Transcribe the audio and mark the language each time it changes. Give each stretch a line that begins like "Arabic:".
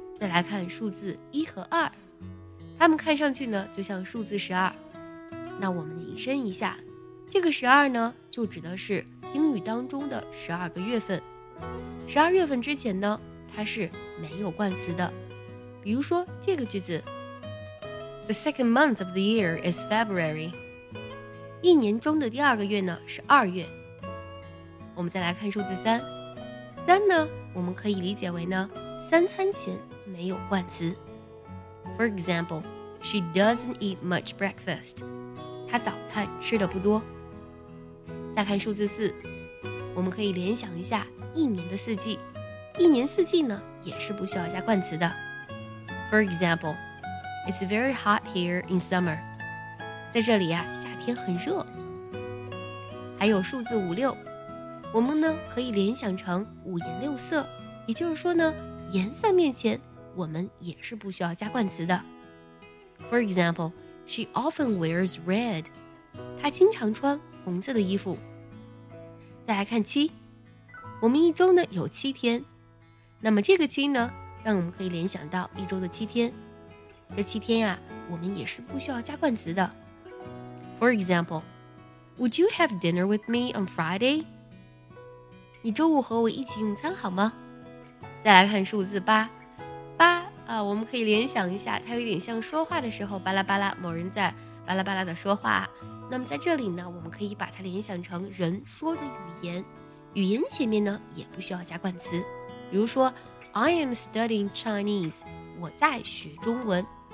Chinese: 再来看数字一和二，它们看上去呢就像数字十二。那我们引申一下，这个十二呢就指的是英语当中的十二个月份。十二月份之前呢，它是没有冠词的。比如说这个句子
English: The second month of the year is February，
Chinese: 一年中的第二个月呢是二月。我们再来看数字三，三呢我们可以理解为呢三餐前没有冠词。
English: For example， She doesn't eat much breakfast，
Chinese: 她早餐吃的不多。再看数字四，我们可以联想一下一年的四季，一年四季呢也是不需要加冠词的。
English: For example， It's very hot here in summer，
Chinese: 在这里啊夏天很热。还有数字五六，我们呢可以联想成五颜六色，也就是说呢颜色面前我们也是不需要加冠词的。
English: For example， She often wears red，
Chinese: 她经常穿红色的衣服。再来看七，我们一周呢有七天，那么这个七呢让我们可以联想到一周的七天，这七天啊我们也是不需要加冠词的。
English: For example， Would you have dinner with me on Friday？
Chinese: 你周五和我一起用餐好吗？再来看数字八，八啊，我们可以联想一下它有点像说话的时候巴拉巴拉，某人在巴拉巴拉的说话，那么在这里呢我们可以把它联想成人说的语言，语言前面呢也不需要加冠词，比如说
English: I am studying Chinese，
Chinese: 我在学中文。